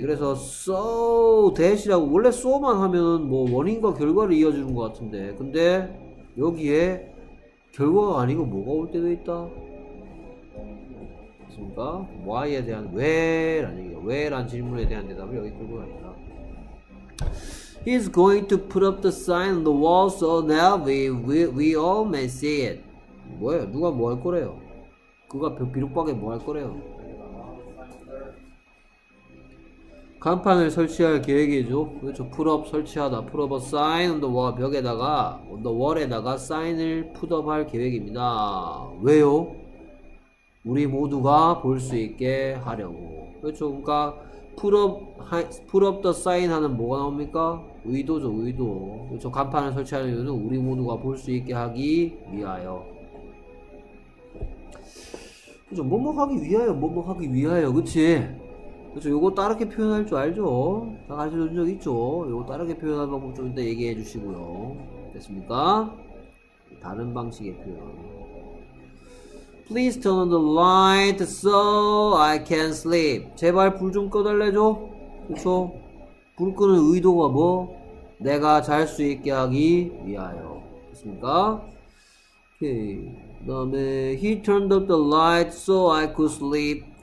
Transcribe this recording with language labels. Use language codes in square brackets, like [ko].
[ko] 그래서 so that이라고 원래 so만 하면은 뭐 원인과 결과를 이어주는 것 같은데, 근데 여기에 결과가 아니고 뭐가 올 때도 있다. 맞습니까? why에 대한 왜라는 얘기야. 왜란 질문에 대한 대답을 여기 끌고 갑니다. [en] He's going to put up the sign on the wall so now we all may see it. [ko] 뭐예요? 누가 뭐 할 거래요? 그가 비록박에 뭐 할 거래요? 간판을 설치할 계획이죠. 그렇죠. Put up 설치하다. [en] Put up a sign on the wall [ko] 벽에다가 on the wall에다가 sign을 put up 할 계획입니다. 왜요? 우리 모두가 볼 수 있게 하려고. 그렇죠. 그러니까 [en] put up the sign [ko] 하는 뭐가 나옵니까? 의도죠, 의도. 그렇죠. 간판을 설치하는 이유는 우리 모두가 볼 수 있게 하기 위하여. 그렇죠. 뭐뭐 하기 위하여, 뭐뭐 하기 위하여. 그치? 그렇죠. 요거 따르게 표현할 줄 알죠? 다 가르쳐준 적 있죠? 요거 따르게 표현할 방법 좀 이따 얘기해 주시고요. 됐습니까? 다른 방식의 표현. [en] Please turn on the light so I can sleep. [ko] 제발 불 좀 꺼달래죠? 그쵸? 불 끄는 의도가 뭐? 내가 잘 수 있게 하기 위하여. 됐습니까? 오케이. 그 다음에 [en] He turned up the light so I could sleep.